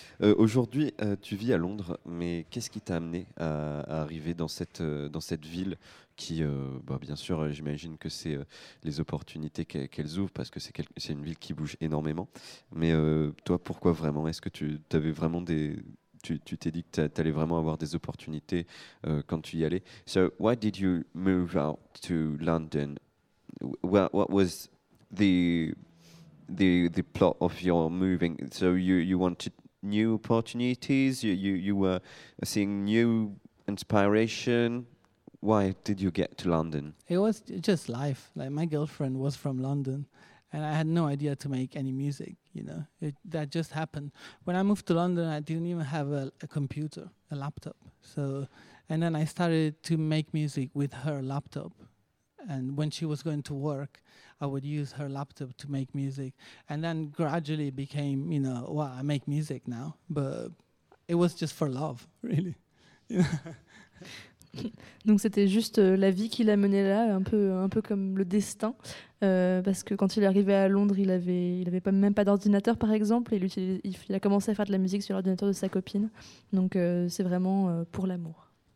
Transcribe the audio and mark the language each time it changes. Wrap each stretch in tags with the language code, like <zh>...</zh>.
<fr>Aujourd'hui, tu vis à Londres, mais qu'est-ce qui t'a amené à arriver dans cette ville? Qui, bien sûr, j'imagine que c'est les opportunités qu'elles ouvrent, parce que c'est une ville qui bouge énormément. Mais toi, pourquoi vraiment? Est-ce que tu t'es dit que tu allais vraiment avoir des opportunités quand tu y allais?</fr> <en>So, why did you move out to London? What was the plot of your moving? So, you wanted new opportunities? You were seeing new inspiration? Why did you get to London? It was just life. Like, my girlfriend was from London, and I had no idea to make any music, you know. That just happened. When I moved to London, I didn't even have a computer, a laptop. So, and then I started to make music with her laptop. And when she was going to work, I would use her laptop to make music. And then gradually became, you know, well, I make music now. But it was just for love, really. You know?</en> <fr>Donc c'était juste la vie qui l'a mené là, un peu comme le destin, parce que quand il est arrivé à Londres, il avait même pas d'ordinateur par exemple, et il a commencé à faire de la musique sur l'ordinateur de sa copine, donc c'est vraiment pour l'amour.</fr>